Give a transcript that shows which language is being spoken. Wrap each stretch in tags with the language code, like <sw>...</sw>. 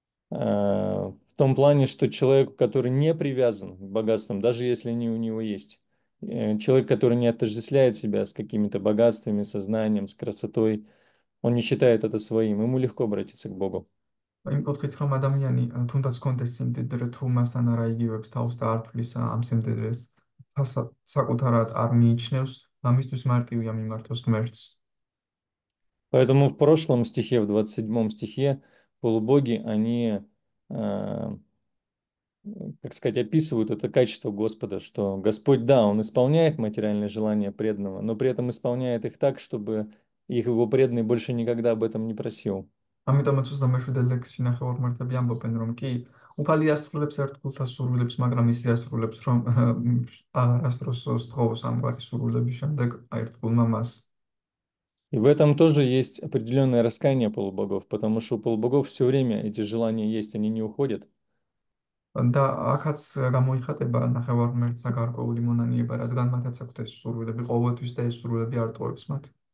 <ru>В том плане, что человек, который не привязан к богатствам, даже если они у него есть, человек, который не отождествляет себя с какими-то богатствами, со знанием, с красотой, он не считает это своим, ему легко обратиться к Богу.</ru> <ka>იმ პოთქით რომ ადამიანი თუნდაც კონდეს სიმდიდრე თუ მასთან არ აიგივებს თავს და არ თვლის ამ სიმდიდრეს საკუთარად არ მიიჩნევს ამისთვის მარტივია მიმართოს ღმერთს.</ka> <ru>Поэтому в прошлом стихе, в 27 стихе, полубоги, они, как сказать, описывают это качество Господа, что Господь, да, Он исполняет материальные желания преданного, но при этом исполняет их так, чтобы их его преданный больше никогда об этом не просил.</ru> <ka>ამიტომაც 27 ლექსში ნახევარმართები ამბობენ რომ კი უფალი ასრულებს ერთგულთა სურვილებს, მაგრამ ის ასრულებს რომ არასდროს სთხოვს ამგვარი სურვილების შემდეგ ერთგულმა მას.</ka> <ru>И в этом тоже есть определенное раскаяние полубогов, потому что у полубогов все время эти желания есть, они не уходят.</ru> <ka>და აქაც გამოიხატება ნახევარმართა გარკვეული მონანიება, რადგან მათაც აქვთ ეს სურვილები ყოველთვის და ეს სურვილები არ ტოვებს მათ.</ka>